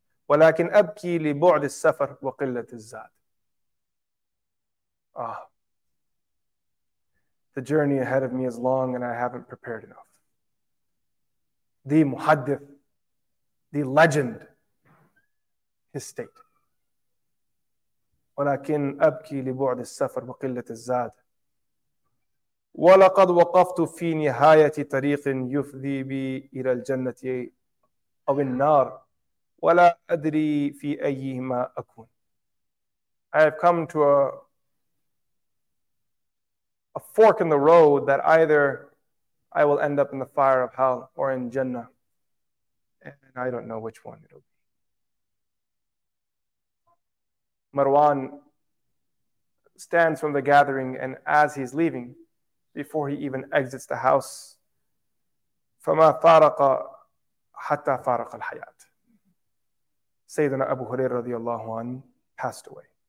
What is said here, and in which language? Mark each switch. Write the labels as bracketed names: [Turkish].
[Arabic] وَلَكِنْ أَبْكِي لِبُعْدِ السَّفَرْ وَقِلَّةِ الزَّادِ [English] Ah, the journey ahead of me is long and I haven't prepared enough. The muhaddith, the legend, his state. [Arabic] وَلَكِنْ أَبْكِي لِبُعْدِ السَّفَرْ وَقِلَّةِ الزَّادِ وَلَقَدْ وَقَفْتُ فِي نِهَايَةِ طَرِيقٍ يُفْذِي بِي إِلَى الْجَنَّةِ أَوِ النَّارِ وَلَا أَدْرِي فِي أَيِّهِمَا أَكُونَ [English] I have come to a a fork in the road that either I will end up in the fire of hell or in Jannah. And I don't know which one it'll be. Marwan stands from the gathering, and as he's leaving, before he even exits the house, [Arabic] فَمَا فَارَقَ حَتَّى فَارَقَ الْحَيَاةِ [English] Sayyidina Abu Hurairah radiallahu anhu passed away.